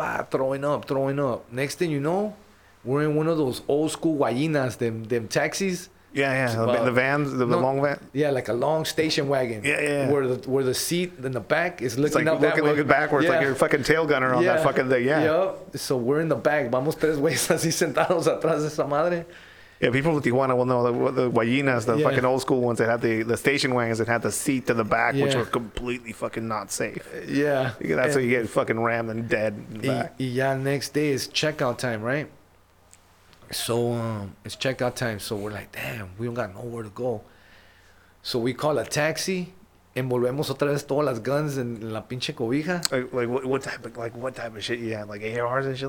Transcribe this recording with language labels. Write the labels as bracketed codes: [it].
[en] Throwing up. Next thing you know, we're in one of those old school guayinas, them taxis. The long van, a long station wagon. Where the seat in the back is looking backwards, like your fucking tail gunner on that fucking thing. So we're in the back. [es] Vamos tres güeyes así sentados atrás de esa madre. [en] Yeah, people in Tijuana will know the guayinas, the fucking old school ones that had the station wagons that had the seat to the back, which were completely fucking not safe. That's how you get fucking rammed and dead in the back. Next day is checkout time, right? So it's checkout time. So we're like, damn, we don't got nowhere to go. So we call a taxi. [es] Envolvemos otra vez todas las guns en la pinche cobija. [en] What type of shit you have? Like ARs and shit?